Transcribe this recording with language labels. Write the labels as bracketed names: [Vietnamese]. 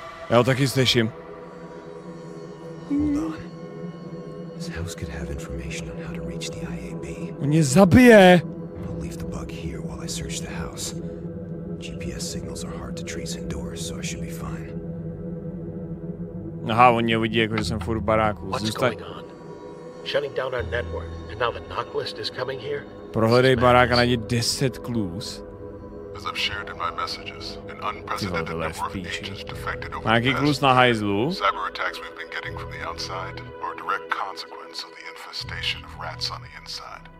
[Czech] Já ho taky slyším. [English] His house could have information on how to reach the IAB. [Czech] On je zabije! [English] I'll leave the bug here while I search the house. GPS signals are hard to trace indoors, so I should be fine. [Czech] Aha, on je vidí, jakože jsem furt v baráku. [English] What's going on? Shutting down our network, and now the knock list is coming here? [Czech] Prohledej barák a najdi 10 clues. [English] As I've shared in my messages, an unprecedented number of agents defected over the past year. Cyber attacks we've been getting from the outside are a direct consequence of the infestation of rats on the inside.